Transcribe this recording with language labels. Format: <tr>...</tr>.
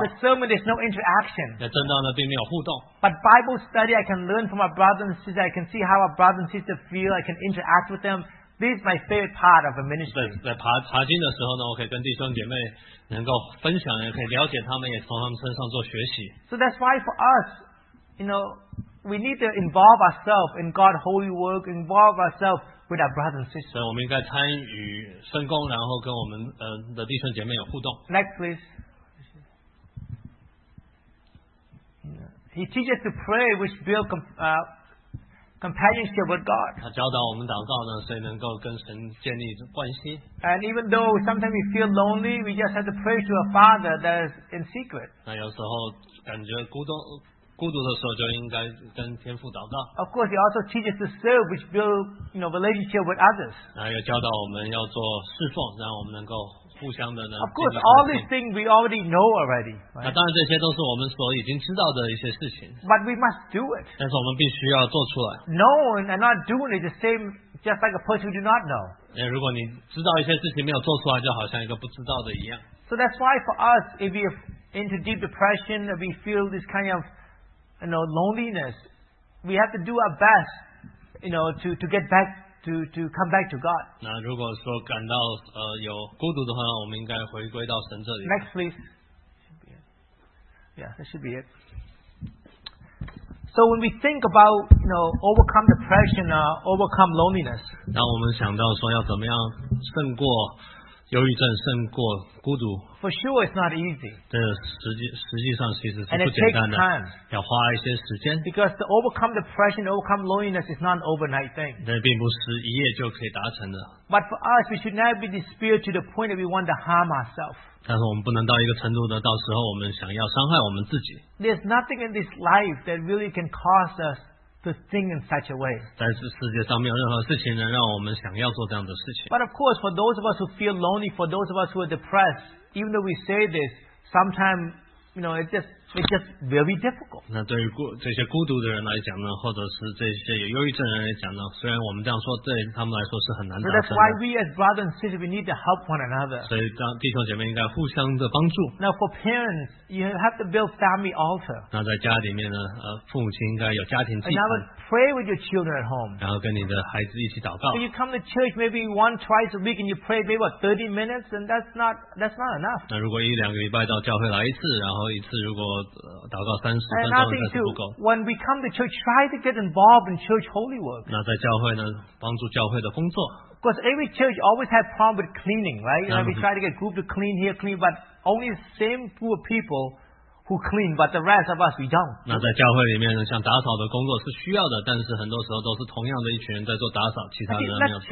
<en>The sermon is no interaction.</en> <zh>那证道呢，并没有互动。</zh> <en>But Bible study, I can learn from our brothers and sisters. I can see how our brothers and sisters feel. I can interact with them. This is my favorite part of a ministry.</en> <zh>在查经的时候呢，我可以跟弟兄姐妹能够分享，也可以了解他们，也从他们身上做学习。</zh> <en>So that's why for us. You know, we need to involve ourselves in God's holy work, involve ourselves with our brothers and sisters.</en> <zh>所以我们应该参与圣工，然后跟我们的弟兄姐妹有互动。</zh> <en>Next, please. He teaches to pray, which builds companionship with God.</en> <zh>他教导我们祷告呢，所以能够跟神建立关系。</zh> <en>And even though sometimes we feel lonely, we just have to pray to a Father that is in secret.</en> <zh>那有时候感觉孤独。孤独的时候就应该跟天父祷告。</zh> <en>Of course, he also teaches to serve, which builds, you know, relationship with others.</en> <zh>然后又教导我们要做侍奉，让我们能够互相的呢。</zh> <en>Of course, all these things we already know already.</en> <zh>那当然，这些都是我们所已经知道的一些事情。</zh> <en>But we must do it.</en> <zh>但是我们必须要做出来。</zh> <en>Knowing and not doing it is the same, just like a person who do not know.</en> <zh>如果你知道一些事情没有做出来，就好像一个不知道的一样。</zh> <en>So that's why for us, if we're into deep depression, we feel this kind of You know, loneliness. We have to do our best, you know, to get back to come back to God.</en> <zh>那如果说感到有孤独的话，我们应该回归到神这里。</zh> <en>Next, please. Yeah, that should be it. So when we think about you know overcome depression, overcome loneliness.</en> <zh>那我们想到说要怎么样胜过。忧郁症胜过孤独。</zh> <en>For sure, it's not easy.</en> <zh>这实际上其实是不简单的。</zh> <en>And it takes time.</en> <zh>要花一些时间。</zh> <en>Because to overcome depression, overcome loneliness is not an overnight thing.</en> <zh>那并不是一夜就可以达成的。</zh> <en>But for us, we should never be despair to the point that we want to harm ourselves.</en> <zh>但是我们不能到一个程度呢，到时候我们想要伤害我们自己。</zh> <en>There's nothing in this life that really can cause us to think in such a way.</en> <zh>但是世界上没有任何事情能让我们想要做这样的事情。</zh> <en>But of course, for those of us who feel lonely, for those of us who are depressed, even though we say this, sometimes, you know, it's just very difficult.</en> <zh>那对于这些孤独的人来讲呢，或者是这些有忧郁症人来讲呢，虽然我们这样说，对他们来说是很难达成的。</zh> <en>So that's why we as brothers and sisters we need to help one another.</en> <zh>所以当弟兄姐妹应该互相的帮助。</zh> <en>Now for parents, you have to build family altar.</en> <zh>那在家里面呢，父母亲应该有家庭祭坛。</zh> <en>And now pray with your children at home.</en> <zh>然后跟你的孩子一起祷告。</zh> <en>So you come to church maybe once, twice a week and you pray maybe what 30 minutes and that's not enough.</en> <zh>那如果一两个礼拜到教会来一次，然后一次如果祷告三十分钟还是不够。</zh> <en>When we come to church, try to get involved in church holy work.</en> <zh>那在教会呢，帮助教会的工作。</zh> <en>Because every church always have problem with cleaning, right? And we try to get group to clean here, clean, but only the same group of people who clean, but the rest of us we don't.</en> <zh>那在教会里面呢，像打扫的工作是需要的，但是很多时候都是同样的一群人在做打扫，其他人没有做。</zh>